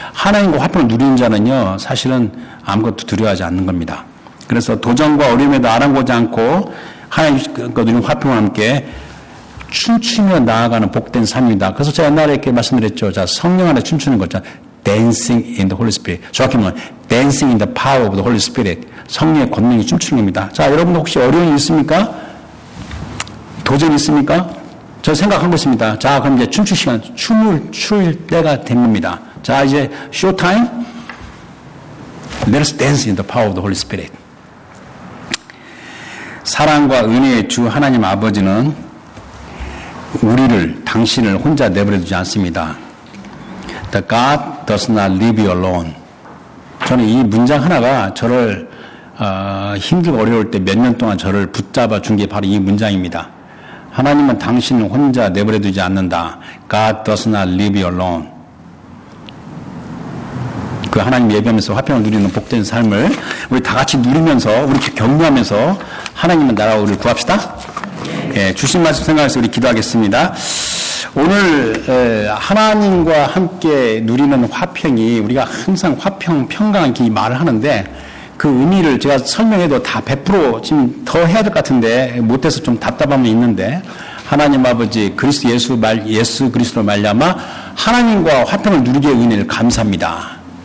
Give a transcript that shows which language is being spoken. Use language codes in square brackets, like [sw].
[ko] 하나님과 화평을 누리는 자는요 사실은 아무것도 두려워하지 않는 겁니다. 그래서 도전과 어려움에도 아랑곳하지 않고 하나님과 누리는 화평과 함께 춤추며 나아가는 복된 삶입니다. 그래서 제가 옛날에 이렇게 말씀드렸죠. 자, 성령 안에 춤추는 거죠. [en] Dancing in the Holy Spirit. [ko] 정확히 말하면 [en] Dancing in the power of the Holy Spirit. [ko] 성령의 권능이 춤추는 겁니다. 자, 여러분 혹시 어려움이 있습니까? 도전이 있습니까? 저 생각한 것 있습니다. 자, 그럼 이제 춤출 시간, 춤을 출 때가 됩니다. 자, 이제 쇼타임. [en] Let us dance in the power of the Holy Spirit. [ko] 사랑과 은혜의 주 하나님 아버지는 우리를, 당신을 혼자 내버려두지 않습니다. [en] The God does not leave you alone. [ko] 저는 이 문장 하나가 저를 힘들고 어려울 때 몇 년 동안 저를 붙잡아 준 게 바로 이 문장입니다. 하나님은 당신을 혼자 내버려두지 않는다. [en] God does not leave you alone. [ko] 그 하나님 예배하면서 화평을 누리는 복된 삶을 우리 다 같이 누리면서 우리 격려하면서 하나님의 나라와 우리를 구합시다. 예, 주신 말씀 생각해서 우리 기도하겠습니다. 오늘 하나님과 함께 누리는 화평이 우리가 항상 화평, 평강 이 말을 하는데 그 의미를 제가 설명해도 다 100% 지금 더 해야 될 것 같은데 못해서 좀 답답함이 있는데 하나님 아버지 그리스도 예수 그리스도 말미암아 하나님과 화평을 누리게 은혜를 감사합니다.